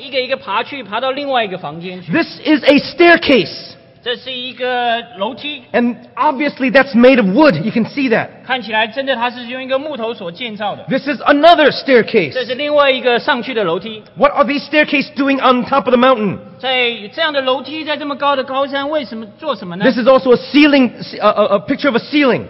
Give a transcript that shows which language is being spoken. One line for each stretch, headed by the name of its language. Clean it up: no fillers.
Chinese: 他们爬这个屋房间，一个一个爬去，爬到另外一个房间去.
English: This is a staircase.
Chinese: 这是一个楼梯.
English: And obviously that's made of wood. You can see that.
Chinese: 看起来真的它是用一个木头所建造的.
English: This is another staircase.
Chinese: 这是另外一个上去的楼梯.
English: What are these staircases doing on top of the mountain?
Chinese: 在这样的楼梯，在这么高的高山，为什么做什么呢？
English: This is also a ceiling, a picture of a ceiling.